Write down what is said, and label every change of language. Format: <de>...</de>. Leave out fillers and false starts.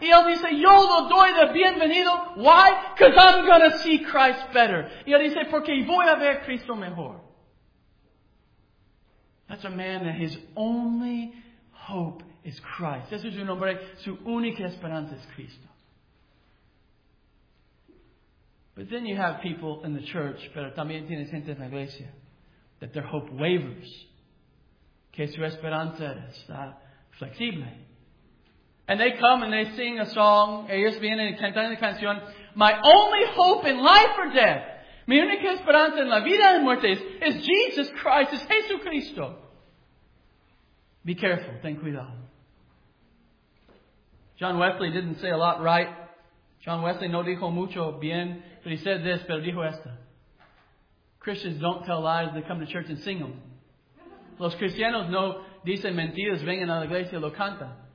<es>Y él dice, yo lo doy de bienvenido.</es> <en>Why? Because I'm going to see Christ better.</en> <es>Y él dice, porque voy a ver Cristo mejor.</es> <en>That's a man that his only hope is Christ.</en> <es>Ese es un hombre, su única esperanza es Cristo.</es> <en>But then you have people in the church,</en> <es>pero también tienes gente en la iglesia,</es> <en>that their hope wavers.</en> <es>Que su esperanza está flexible.</es> <en>And they come and they sing a song,</en> <es>ellos vienen y cantan la canción,</es> <en>my only hope in life or death,</en> <es>mi única esperanza en la vida y muerte es Jesus Christ, es Jesucristo.</es> <en>Be careful,</en> <es>ten cuidado.</es> <en>John Wesley didn't say a lot right.</en> <es>John Wesley no dijo mucho bien,</es> <en>but he said this,</en> <es>pero dijo esto.</es> <en>Christians don't tell lies, they come to church and sing them.</en> <es>Los cristianos no dicen mentiras, vengan a la iglesia y lo cantan.</es>